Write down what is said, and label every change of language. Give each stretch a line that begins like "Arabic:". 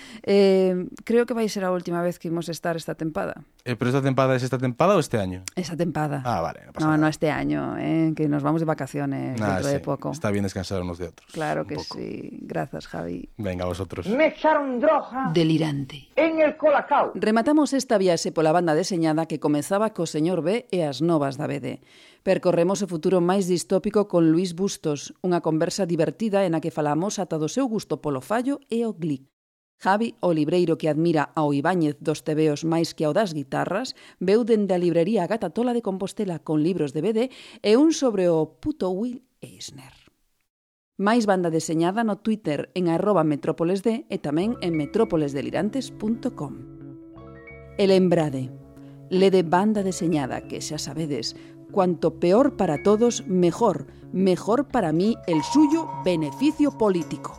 Galician: Creo que vai ser a última vez que imos estar esta tempada. Pero esta tempada é es esta tempada ou este año? Esta tempada.
Spanish: Ah, vale. No, no, este año, que nos vamos de vacaciones dentro de poco. Está bien descansar unos de otros. Claro que sí. Gracias, Javi. Venga, vosotros. Me echaron droga. Delirante. En el Colacao.
Galician: Rematamos esta viaxe pola banda deseñada que comezaba co señor B e as novas da BD. Percorremos o futuro máis distópico con Luis Bustos, unha conversa divertida en a que falamos ata do seu gusto polo fallo e o glic. Javi, o libreiro que admira ao Ibáñez dos tebeos máis que ao das guitarras, veu dende a librería Gatatola de Compostela con libros de BD e un sobre o puto Will Eisner. Máis banda deseñada no Twitter en @metrópolesd e tamén en metrópolesdelirantes.com. E lembrade, lede banda deseñada que xa sabedes,
Spanish: cuanto peor para todos, mejor. Mejor para mí el suyo beneficio político.